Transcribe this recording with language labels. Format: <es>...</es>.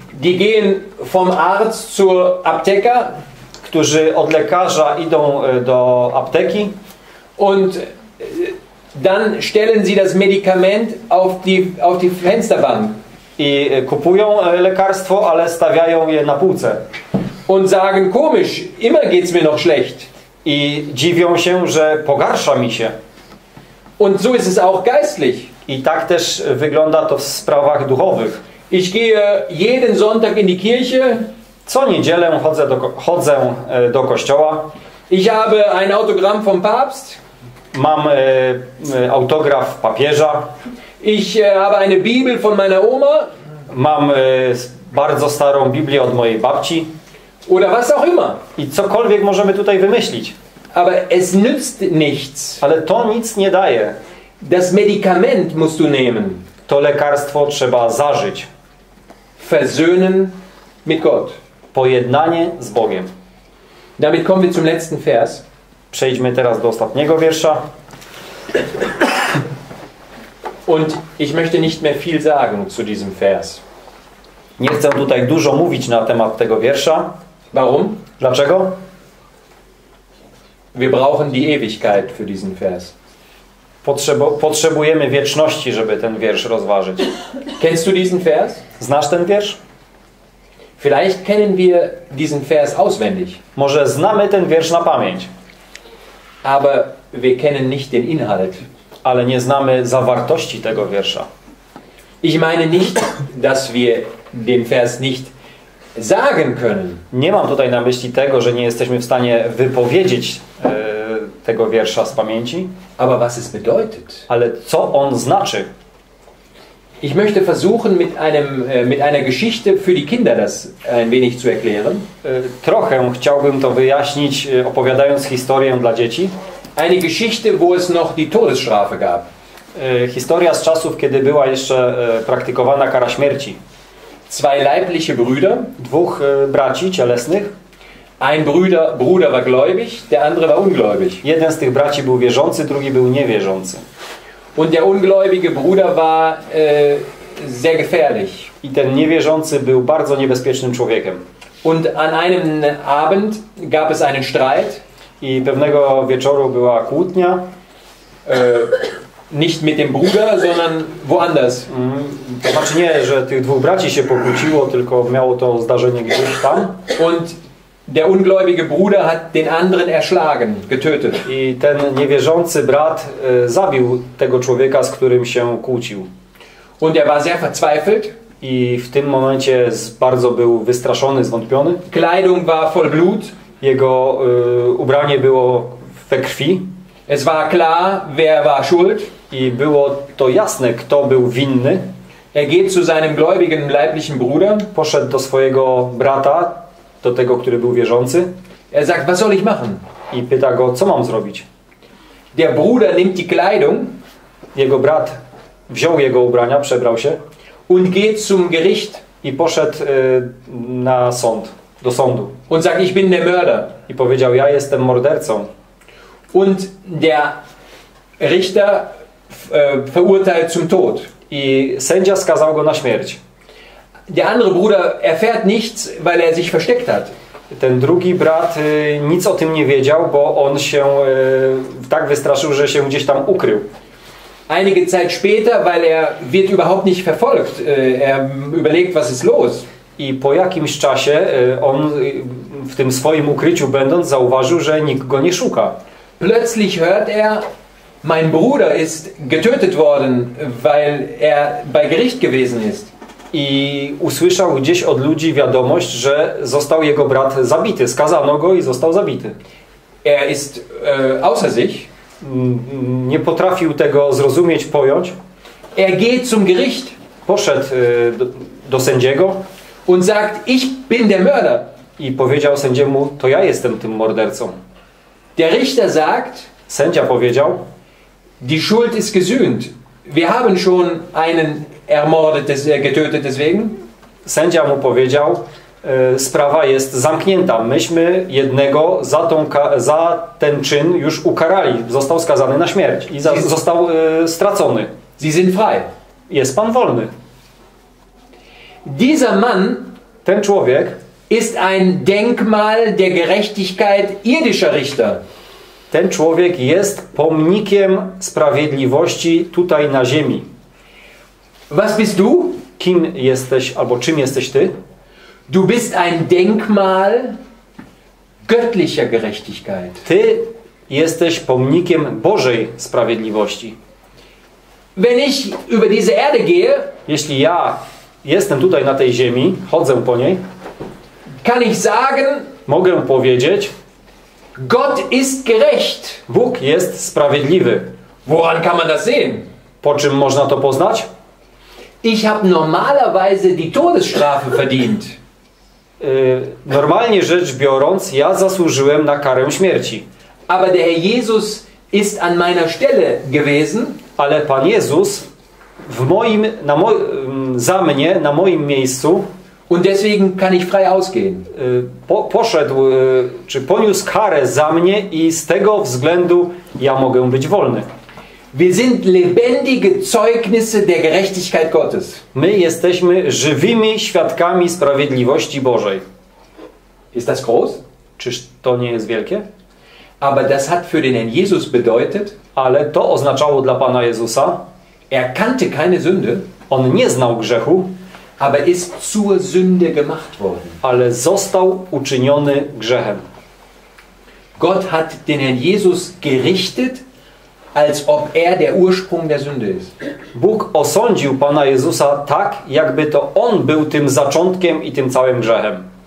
<de>die gehen vom Arzt zur Apteka,</de> <pl>którzy od lekarza idą do apteki</pl> <de>und dann stellen sie das Medikament auf die Fensterbank.</de> <pl>I kupują lekarstwo, ale stawiają je na półce.</pl> <de>Und sagen, komisch, immer geht's mir noch schlecht.</de> <pl>I dziwią się, że pogarsza mi się.</pl> <de>Und so ist es auch geistlich.</de> <pl>I tak też wygląda to w sprawach duchowych.</pl> <de>Ich gehe jeden Sonntag in die Kirche.</de> <pl>Co niedzielę chodzę do kościoła.</pl> <de>Ich habe ein Autogramm vom Papst.</de> <pl>Mam autograf papieża.</pl> <de>Ich habe eine Bibel von meiner Oma.</de> <pl>Mam bardzo starą Biblię od mojej babci.</pl> <de>Oder was auch immer.</de> <pl>I cokolwiek możemy tutaj wymyślić.</pl> <de>Aber es nützt nichts.</de> <pl>Ale to nic nie daje.</pl> <de>Das Medikament musst du nehmen.</de> <pl>To lekarstwo trzeba zażyć.</pl> <de>Versöhnen mit Gott.</de> <pl>Pojednanie z Bogiem.</pl> <de>Damit kommen wir zum letzten Vers.</de> <pl>Przejdźmy teraz do ostatniego wiersza.</pl> <de>Und ich möchte nicht mehr viel sagen zu diesem Vers.</de> <pl>Nie chcę tutaj dużo mówić na temat tego wiersza.</pl> <de>Warum?</de> <pl>Dlaczego?</pl> <de>Wir brauchen die Ewigkeit für diesen Vers.</de> <pl>Potrzebujemy wieczności, żeby ten wiersz rozważyć.</pl> <de>Kennst du diesen Vers?</de> <pl>Znasz ten wiersz?</pl> <de>Vielleicht kennen wir diesen Vers auswendig.</de> <pl>Może znamy ten wiersz na pamięć.</pl> <de>Aber wir kennen nicht den Inhalt.</de> <pl>Ale nie znamy zawartości tego wiersza.</pl> <de>Ich meine nicht, dass wir den Vers nicht sagen können.</de> <pl>Nie mam tutaj na myśli tego, że nie jesteśmy w stanie wypowiedzieć tego wiersza z pamięci.</pl> <de>Aber was es bedeutet?</de> <pl>Ale co on znaczy?</pl> <de>Ich möchte versuchen mit einer Geschichte für die Kinder das ein wenig zu erklären.</de> <pl>Trochę chciałbym to wyjaśnić opowiadając historię dla dzieci.</pl> <de>Eine Geschichte, wo es noch die Todesstrafe gab.</de> <pl>Historia z czasów, kiedy była jeszcze praktykowana kara śmierci.</pl> <de>Zwei leibliche Brüder,</de> <pl>dwóch braci cielesnych.</pl> <de>Ein Bruder war gläubig, der andere war ungläubig.</de> <pl>Jeden z tych braci był wierzący, drugi był niewierzący.</pl> <de>Und der ungläubige Bruder war sehr gefährlich.</de> <pl>I ten niewierzący był bardzo niebezpiecznym człowiekiem.</pl> <de>Und an einem Abend gab es einen Streit.</de> <pl>I pewnego wieczoru była kłótnia.</pl> <de>Nicht mit dem Bruder, sondern woanders.</de> <pl>To znaczy nie, że tych dwóch braci się pokłóciło, tylko miało to zdarzenie gdzieś tam.</pl> <de>Und der ungläubige Bruder hat den anderen erschlagen, getötet.</de> <pl>I ten niewierzący brat zabił tego człowieka, z którym się kłócił.</pl> <de>Und er war sehr verzweifelt.</de> <pl>I w tym momencie bardzo był wystraszony, zwątpiony.</pl> <de>Kleidung war voll Blut.</de> <pl>Jego ubranie było we krwi.</pl> <de>Es war klar, wer war schuld.</de> <pl>I było to jasne, kto był winny.</pl> <de>Er geht zu seinem gläubigen leiblichen Bruder.</de> <pl>Poszedł do swojego brata, do tego, który był wierzący.</pl> <de>Er sagt, was soll ich machen?</de> <pl>I pyta go, co mam zrobić.</pl> <de>Der Bruder nimmt die Kleidung.</de> <pl>Jego brat wziął jego ubrania, przebrał się.</pl> <de>Und geht zum Gericht.</de> <pl>I poszedł na sąd. Do sądu.</pl> <de>Und sagt, ich bin der Mörder.</de> <pl>I powiedział, ja jestem mordercą.</pl> <de>Und der Richter verurteilt zum Tod.</de> <pl>I sędzia skazał go na śmierć.</pl> <de>Der andere Bruder erfährt nichts, weil er sich versteckt hat.</de> <pl>Ten drugi brat nic o tym nie wiedział, bo on się tak wystraszył, że się gdzieś tam ukrył.</pl> <de>Einige Zeit später, weil er wird überhaupt nicht verfolgt. Er überlegt, was ist los.</de> <pl>I po jakimś czasie on w tym swoim ukryciu będąc zauważył, że nikt go nie szuka.</pl> <de>Plötzlich hört er, mein Bruder ist getötet worden, weil er bei Gericht gewesen ist.</de> <pl>I usłyszał gdzieś od ludzi wiadomość, że został jego brat zabity. Skazano go i został zabity.</pl> <de>Er ist außer sich.</de> <pl>Nie potrafił tego zrozumieć, pojąć.</pl> <de>Er geht zum Gericht.</de> <pl>Poszedł do sędziego.</pl> <de>Und sagt, ich bin der Mörder.</de> <pl>I powiedział sędziemu, to ja jestem tym mordercą.</pl> <de>Der Richter sagt,</de> <pl>sędzia powiedział,</pl> <de>die Schuld ist gesühnt. Wir haben schon einen ermordet, getötet deswegen.</de> <pl>Sędzia mu powiedział, sprawa jest zamknięta. Myśmy jednego za ten czyn już ukarali. Został skazany na śmierć i został stracony.</pl> <de>Sie sind frei.</de> <pl>Jest pan wolny.</pl> <de>Dieser Mann,</de> <pl>ten człowiek,</pl> <de>ist ein Denkmal der Gerechtigkeit irdischer Richter.</de> <pl>Ten człowiek jest pomnikiem sprawiedliwości tutaj na ziemi.</pl> <de>Was bist du?</de> <pl>Kim jesteś albo czym jesteś ty?</pl> <de>Du bist ein Denkmal göttlicher Gerechtigkeit.</de> <pl>Ty jesteś pomnikiem Bożej sprawiedliwości.</pl> <de>Wenn ich über diese Erde gehe,</de> <pl>jeśli ja jestem tutaj na tej ziemi, chodzę po niej.</pl> <de>Kann ich sagen,</de> <pl>mogę powiedzieć,</pl> <de>Gott ist gerecht.</de> <pl>Bóg jest sprawiedliwy.</pl> <de>Woran kann man das sehen?</de> <pl>Po czym można to poznać?</pl> <de>Ich habe normalerweise die Todesstrafe verdient.</de> <pl>Normalnie rzecz biorąc, ja zasłużyłem na karę śmierci.</pl> <de>Aber der Herr Jesus ist an meiner Stelle gewesen.</de> <pl>Ale Pan Jezus w moim, za mnie, na moim miejscu.</pl> <de>Und deswegen kann ich frei ausgehen.</de> <pl>Poszedł, czy poniósł karę za mnie i z tego względu ja mogę być wolny.</pl> <de>Wir sind lebendige Zeugnisse der Gerechtigkeit Gottes.</de> <pl>My jesteśmy żywymi świadkami sprawiedliwości Bożej.</pl> <de>Ist das groß?</de> <pl>Czyż to nie jest wielkie?</pl> <de>Aber das hat für den Herrn Jesus bedeutet.</de> <pl>Ale to oznaczało dla Pana Jezusa.</pl> <de>Er kannte keine Sünde.</de> <pl>On nie znał grzechu.</pl> <de>Aber ist zur Sünde gemacht worden.</de> <pl>Ale został uczyniony grzechem.</pl> <de>Gott hat den Herrn Jesus gerichtet, als ob er der Ursprung der Sünde ist.</de> <pl>Bóg osądził Pana Jezusa tak, jakby to on był tym zaczątkiem i tym całym grzechem.</pl>